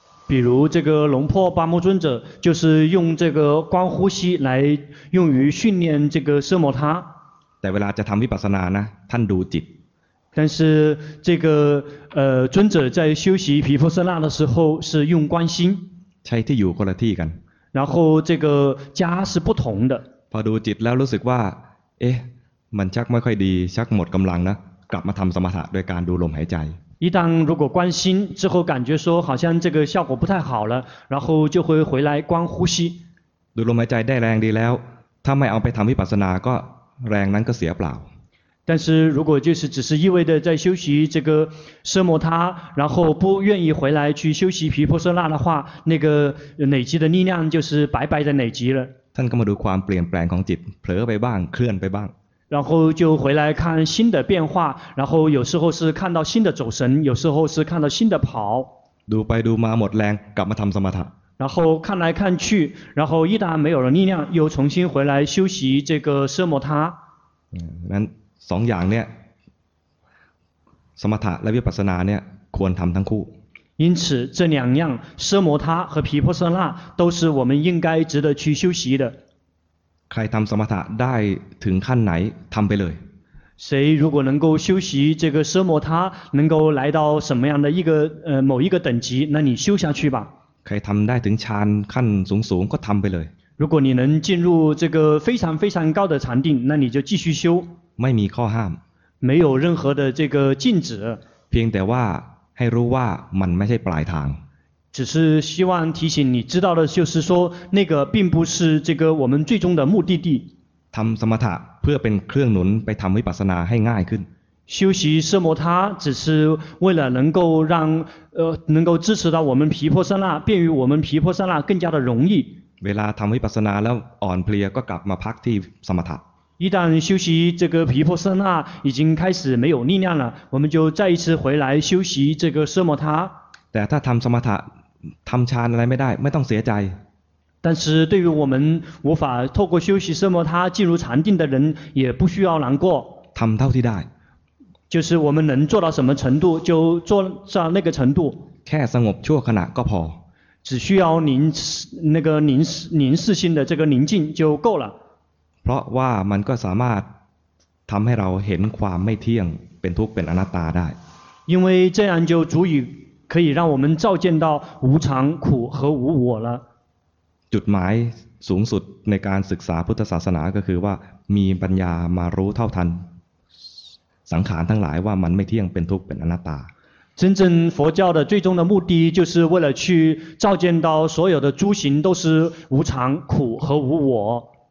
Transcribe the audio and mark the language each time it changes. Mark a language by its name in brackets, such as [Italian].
[Chinese] 比如这个龙破八摩尊者就是用这个观呼吸来用于训练这个奢摩他 [Thai] แต่เวลาจะทำวิปัสสนานะท่านดูจิต [Chinese] 但是这个尊者在修习毗婆舍那的时候是用观心 [Thai] ใช้ที่อยู่คนละที่กัน [Chinese] 然后这个家是不同的 [Thai] พอดูจิตแล้วรู้สึกว่าเอ๊ะมันชักไม่ค่อยดีชักหมดกำลังนะกลับมาทำสมถะโดยการดูลมหายใจ [Chinese] 一旦如果观心之后感觉说好像这个效果不太好了然后就会回来观呼吸 [Thai] ดูลมหายใจได้แรงดีแล้วถ้าไม่เอาไปทำวิปัสสนาก็แรงนั้นก็เสียเปล่า [Chinese] 但是如果就是只是意味着在休息这个奢摩他然后不愿意回来去休息毗婆舍那的话那个累积的力量就是白白的累积了 [Thai] ท่านก็มาดูความเปลี่ยนแปลงของจิตเผลอไปบ้างเคลื่อนไปบ้าง [Chinese] 然后就回来看新的变化然后有时候是看到新的走神有时候是看到新的跑 [Thai] ดูไปดูมาหมดแรงกลับมาทำสมถะ [Chinese] 然后看来看去然后一旦没有了力量又重新回来休息这个奢摩他 [Thai] นั้นสองอย่างเนี่ยสมถะและวิปัสสนาเนี่ยควรทำทั้งคู่ [Chinese] 因此这两样奢摩他和毗婆舍那都是我们应该值得去休息的 [Thai] ใครทำสมถะได้ถึงขั้นไหนทำไปเลย [Chinese] 谁如果能够修习这个奢摩他能够来到什么样的一个某一个等级那你修下去吧 [Thai] ใครทำได้ถึงฌานขั้นสูงสูงก็ทำไปเลย [Chinese] 如果你能进入这个非常非常高的禅定那你就继续修 [Thai] ไม่มีข้อห้าม [Chinese] 没有任何的这个禁止 [Thai] เพียงแต่ว่าให้รู้ว่ามันไม่ใช่ปลายทาง [Chinese] 只是希望提醒你知道的就是说那个并不是这个我们最终的目的地 [Thai] ทำสมถะเพื่อเป็นเครื่องหนุนไปทำวิปัสสนาให้ง่ายขึ้น [Chinese] 修习奢摩他只是为了能够让能够支持到我们毗婆舍那便于我们毗婆舍那更加的容易 [Thai] เวลาทำวิปัสสนาแล้วอ่อนเพลียก็กลับมาพักที่สมถะ [Chinese] 一旦修习这个毗婆舍那已经开始没有力量了我们就再一次回来修习这个奢摩他 [Thai] แต่ถ้าทำสมถะทำฌานอะไรไม่ได้ไม่ต้องเสียใจ [Chinese] 但是对于我们无法透过休息奢摩他进入禅定的人也不需要难过 [Thai] ทำเท่าที่ได้ [Chinese] 就是我们能做到什么程度就做到那个程度 [Thai] แค่สงบชั่วขณะก็พอ [Chinese] 只需要凝视心的这个宁静就够了 [Thai] เพราะว่ามันก็สามารถทำให้เราเห็นความไม่เที่ยงเป็นทุกข์เป็นอนัตตาได้ [Chinese] 因为这样就足以可以让我们照见到无常苦和无我了 [Thai] จุดหมายสูงสุดในการศึกษาพุทธศาสนาก็คือว่ามีปัญญามารู้เท่าทันสังขารทั้งหลายว่ามันไม่เที่ยงเป็นทุกข์เป็นอนัตตา [Chinese] 真正佛教的最终的目的就是为了去照见到所有的诸行都是无常苦和无我